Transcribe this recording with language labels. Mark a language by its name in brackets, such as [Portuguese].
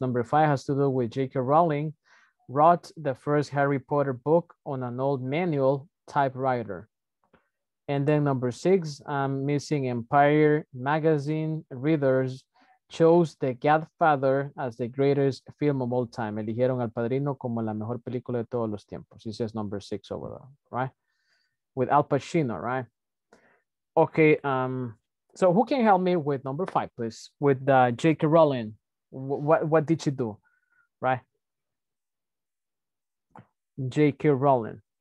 [English] Number five has to do with J.K. Rowling wrote the first Harry Potter book on an old manual typewriter. And then number six, I'm missing Empire Magazine readers chose The Godfather as the greatest film of all time. [Spanish] Eligieron al Padrino como la mejor película de todos los tiempos. [English] This is number six over there, right? With Al Pacino, right? Okay, so who can help me with number five, please? With J.K. Rowling, what did she do, right? J.K. Rowling.